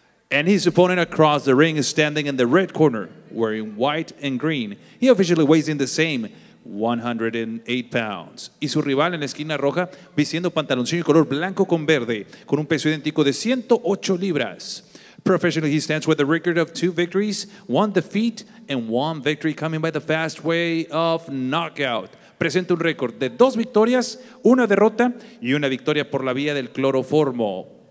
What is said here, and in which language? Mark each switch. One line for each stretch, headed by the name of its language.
English: And his opponent across the ring is standing in the red corner, wearing white and green. He officially weighs in the same, 108 pounds.
Spanish: Y su rival en la esquina roja, vistiendo pantaloncillo color blanco con verde, con un peso idéntico de 108 libras.
English: Professionally, he stands with a record of 2 victories, 1 defeat, and 1 victory coming by the fast way of knockout.
Spanish: Presenta un récord de 2 victorias, 1 derrota, y 1 victoria por la vía del cloroformo.